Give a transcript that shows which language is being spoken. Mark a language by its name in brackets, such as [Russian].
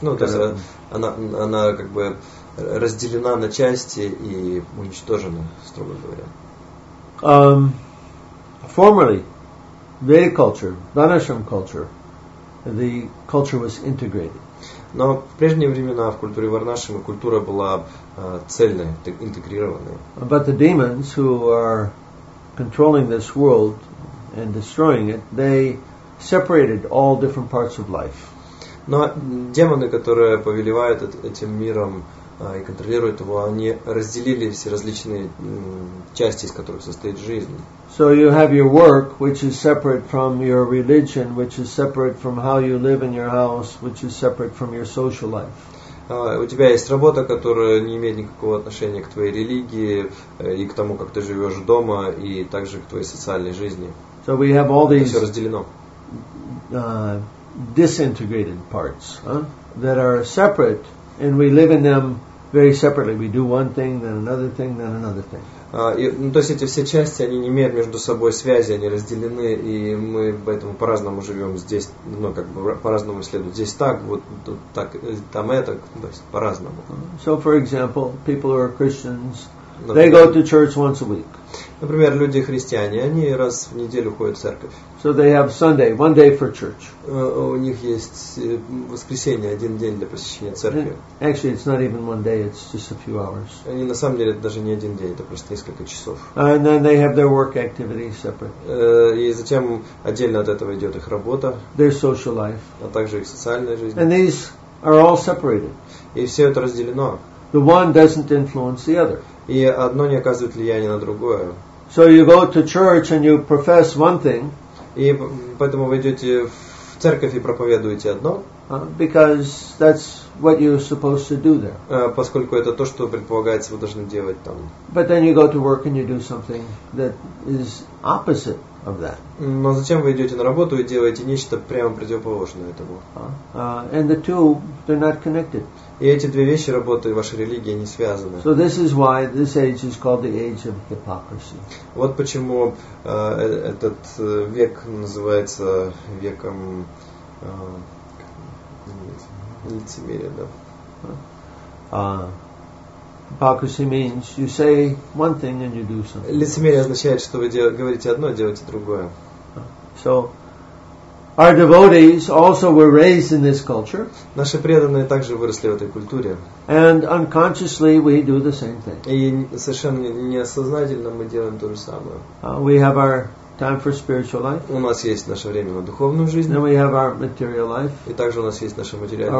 [Russian] Ну, то есть она как бы разделена на части и уничтожена, строго говоря. [English] Formerly, Vedic culture, Dhanashram culture, the culture was integrated. [Russian] Но в прежние времена в культуре Варнашрама культура была цельная, интегрированная. [English] But the demons who are controlling this world and destroying it, they separated all different parts of life. [Russian] Но демоны, которые повелевают этим миром и контролируют его, они разделили все различные части, из которых состоит жизнь. [English] So you have your work, which is separate from your religion, which is separate from how you live in your house, which is separate from your social life. [Russian] У тебя есть работа, которая не имеет никакого отношения к твоей религии и к тому, как ты живешь дома, и также к твоей социальной жизни. [English] So we have all these, [Russian] все разделено. [English] Disintegrated parts, that are separate, and we live in them very separately. We do one thing, then another thing, then another thing. [Russian] То есть эти все части, они не имеют между собой связи, они разделены, и мы поэтому по-разному живем здесь, ну, как бы по-разному исследуем. Здесь так, вот тут так, там это, то есть по-разному. [English] So, for example, people who are Christians, [Russian] например, [English] they go to church once a week. [Russian] Например, люди-христиане, они раз в неделю ходят в церковь. [English] So they have Sunday, one day for church. [Russian] У них есть воскресенье, один день для посещения церкви. [English] Actually, it's not even one day, it's just a few hours. [Russian] Они на самом деле даже не один день, это просто несколько часов. [English] And then they have their work activities separate. [Russian] И затем отдельно от этого идет их работа. [English] Their social life. [Russian] А также их социальная жизнь. [English] And these are all separated. [Russian] И все это разделено. [English] The one doesn't influence the other. [Russian] И одно не оказывает влияния на другое. [English] So you go to church and you profess one thing. [Russian] И поэтому вы идете в церковь и проповедуете одно. [English] Because that's what you're supposed to do there. [Russian] Поскольку это то, что предполагается, вы должны делать там. [English] But then you go to work and you do something that is opposite of that. [Russian] Но затем вы идете на работу и делаете нечто прямо противоположное этому. [English] And the two, they're not connected. [Russian] И эти две вещи, работа и ваша религия, не связаны. [English] So this is why this age is called the age of hypocrisy. [Russian] Вот почему этот век называется веком лицемерия, да. [English] Hypocrisy means you say one thing and you do something. [Russian] Лицемерие означает, что вы говорите одно, а делаете другое. [English] So our devotees also were raised in this culture. [Russian] Наши преданные также выросли в этой культуре. [English] And unconsciously we do the same thing. [Russian] И совершенно неосознательно мы делаем то же самое. [English] We have our time for spiritual life. [Russian] У нас есть наше время на духовную жизнь. [English] And we have our material life. [Russian] И также у нас есть наша материальная